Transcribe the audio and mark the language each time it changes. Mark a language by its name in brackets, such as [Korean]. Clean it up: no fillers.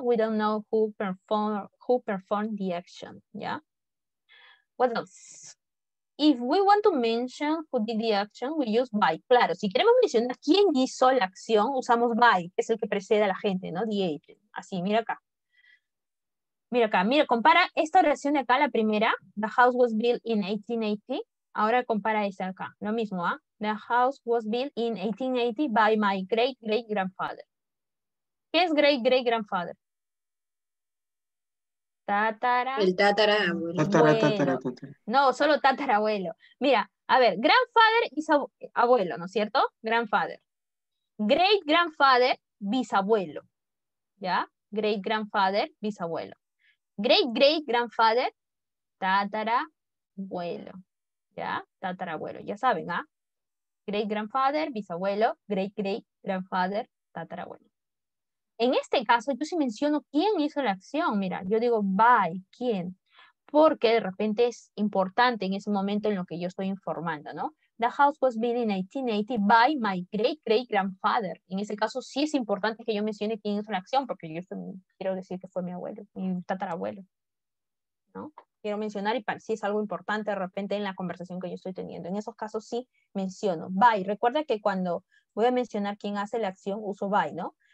[English] We don't know who performed the action, ¿ya? What else? If we want to mention who did the action, we use by. [Spanish] Claro, si queremos mencionar quién hizo la acción, usamos by, que es el que precede a la gente, ¿no? [English] The agent. [Spanish] Así, mira acá. Mira acá, mira, compara esta oración de acá, la primera. [English] The house was built in 1880. [Spanish] Ahora compara esta acá. Lo mismo, ¿ah? ¿Eh? [English] The house was built in 1880 by my great-great-grandfather. [Spanish] ¿Qué es great-great-grandfather? Tatara. El tatarabuelo. No, solo tatarabuelo. Mira, a ver, grandfather es abuelo, ¿no es cierto? [English] Grandfather. Great-grandfather, bisabuelo. ¿Ya? [Spanish] Great-grandfather, bisabuelo. Great great grandfather, tatarabuelo. ¿Ya? Tatarabuelo. Ya saben, ¿ah? [English] Great grandfather, bisabuelo, great great grandfather, tatarabuelo. [Spanish] En este caso, yo sí menciono quién hizo la acción. Mira, yo digo by, ¿quién? Porque de repente es importante en ese momento en lo que yo estoy informando, ¿no? [English] The house was built in 1880 by my great-great-grandfather. [Spanish] En ese caso, sí es importante que yo mencione quién hizo la acción, porque yo quiero decir que fue mi abuelo, mi tatarabuelo, ¿no? Quiero mencionar y para, si es algo importante de repente en la conversación que yo estoy teniendo. En esos casos sí menciono by. Recuerda que cuando voy a mencionar quién hace la acción, uso by, ¿no?